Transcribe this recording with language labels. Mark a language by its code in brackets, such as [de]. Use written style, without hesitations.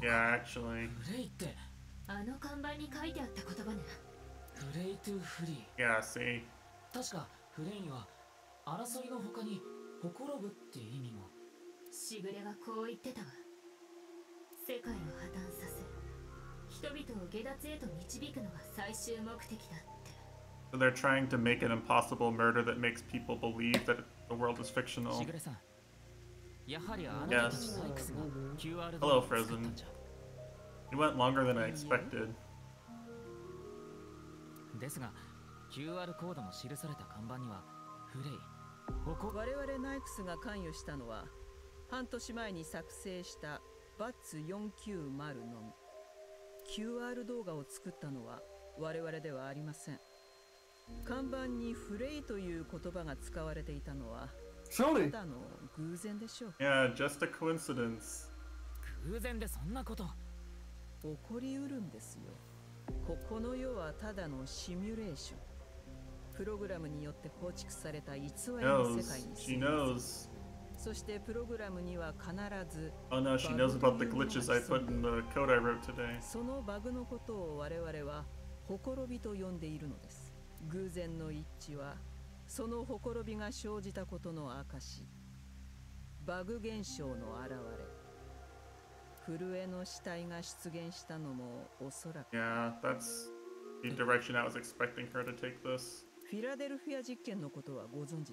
[ja] か。 [en] Yeah, actually. [ja] フレイってあの看板に書いてあった言葉ね。フレイトゥフリー。 [en] Yeah, see. [ja] 確かフレイには争いの他にほころぶっていう意味も。シグレはこう言ってたわ。世界を破綻させ。 [en] So they're trying to make an impossible murder that makes people believe that the world is fictional. Yes. Hello, Frozen. It went longer than I expected. [ja] ですが、QR コードの記された看板には、フレイ。ここ我々ナイクスが関与したのは、半年前に作成したバッツ490のみ。 QR 動画を作ったのは我々ではありません。看板にフレイという言葉が使われていたのはただの偶然でしょう。 [en] Yeah, just a coincidence. [ja] 偶然でそんなこと起こりうるんですよ。ここの世はただのシミュレーション。プログラムによって構築された偽りの世界に住む。 [en] She knows. [ja] そしてプログラムには必ず。 [en] Oh no, she knows about the glitches I put in the code I wrote today. [ja] そのバグのことを我々はほころびと呼んでいるのです。偶然の一致はそのほころびが生じたことの証。バグ現象の現れ。震えの死体が出現したのもおそらく。 [en] Yeah, that's the direction I was expecting her to take this. [ja] フィラデルフィア実験のことはご存知